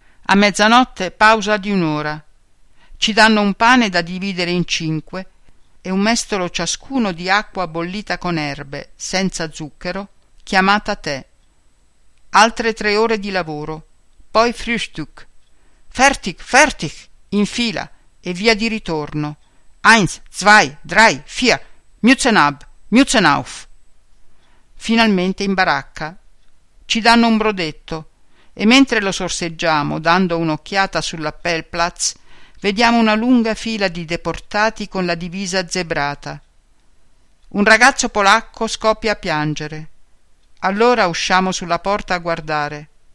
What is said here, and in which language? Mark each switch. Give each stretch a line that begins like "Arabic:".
Italian: A mezzanotte, pausa di un'ora. Ci danno un pane da dividere in cinque e un mestolo ciascuno di acqua bollita con erbe, senza zucchero, chiamata tè. Altre 3 ore di lavoro, poi Frühstück.
German: Fertig, fertig,
Italian: in fila e via di ritorno.
German: Eins, zwei, drei, vier, Mützen ab, Mützen auf.
Italian: Finalmente in baracca. Ci danno un brodetto e mentre lo sorseggiamo, dando un'occhiata sull'Appellplatz, vediamo una lunga fila di deportati con la divisa zebrata. Un ragazzo polacco scoppia a piangere. Allora usciamo sulla porta a guardare.